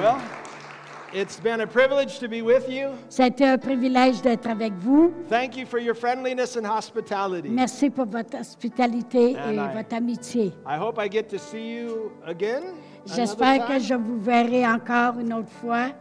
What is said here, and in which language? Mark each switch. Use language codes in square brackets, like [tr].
[en] Well, it's been a privilege to be with you. [fr] C'était un privilège d'être avec vous. [en] Thank you for your friendliness and hospitality. [fr] Merci pour votre hospitalité et votre amitié. [en] I hope I get to see you again. [fr] J'espère que je vous verrai encore une autre fois.